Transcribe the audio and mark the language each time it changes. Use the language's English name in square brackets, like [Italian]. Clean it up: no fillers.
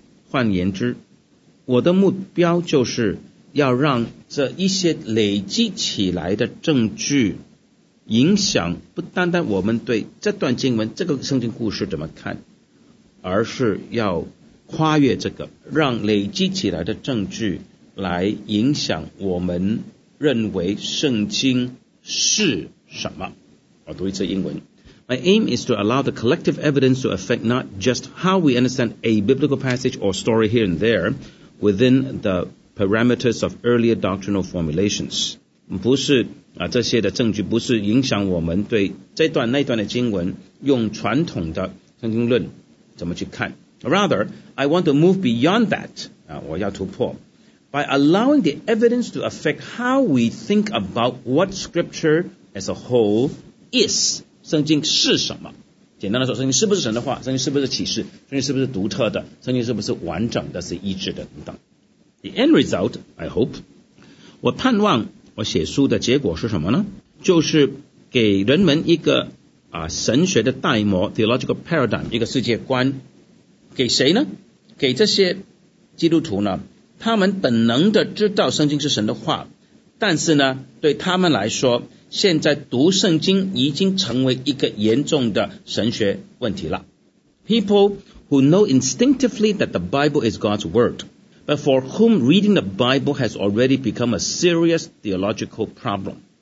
[Chinese] 换言之，我的目标就是要让这一些累积起来的证据影响不单单我们对这段经文这个圣经故事怎么看，而是要跨越这个，让累积起来的证据来影响我们认为圣经是什么。我读一次英文。 [English] My aim is to allow the collective evidence to affect not just how we understand a biblical passage or story here and there within the parameters of earlier doctrinal formulations. [Chinese] 不是这些的证据不是影响我们对这段那段的经文用传统的圣经论怎么去看。 [English] Rather, I want to move beyond that, [Chinese] 我要突破。 [English] By allowing the evidence to affect how we think about what scripture as a whole is, [Chinese] 圣经是什么？简单的说，圣经是不是神的话？圣经是不是启示？圣经是不是独特的？圣经是不是完整的？是一致的？等等。 [English] The end result, I hope, [Chinese] 我盼望我写书的结果是什么呢？就是给人们一个神学的代模 [English] theological paradigm， [Chinese] 一个世界观。给谁呢？给这些基督徒呢，他们本能的知道圣经是神的话，但是呢对他们来说现在读圣经已经成为一个严重的神学问题了。 [English] People who know instinctively that the Bible is God's word but for whom reading the Bible has already become a serious theological problem。